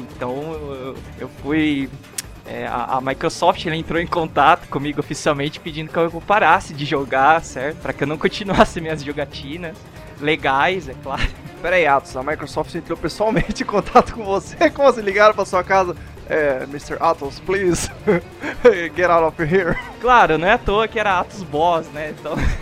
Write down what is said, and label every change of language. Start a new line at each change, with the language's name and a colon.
Portuguese: Então eu fui... A Microsoft entrou em contato comigo oficialmente pedindo que eu parasse de jogar, certo? Pra que eu não continuasse minhas jogatinas legais, é claro. Pera aí, Atos, a Microsoft entrou pessoalmente em contato com você? Como se ligaram pra sua casa?
English: Mr. Atos, please, get out of here.
Portuguese: Claro, não é à toa que era Atos Boss, né? Então...